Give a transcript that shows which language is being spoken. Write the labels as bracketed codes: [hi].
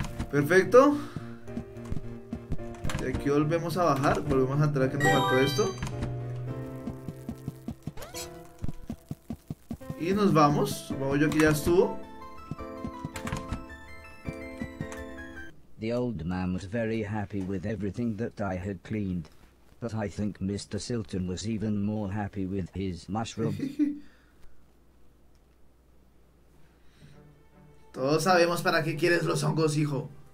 [es] Perfecto. Y aquí volvemos a bajar. Volvemos a entrar, que nos faltó esto. Y nos vamos, supongo yo que ya estuvo. [en] The old man was very happy with everything that I had cleaned. But I think Mr. Silton was even more happy with his mushroom. [es] Todos sabemos para qué quieres los hongos, hijo.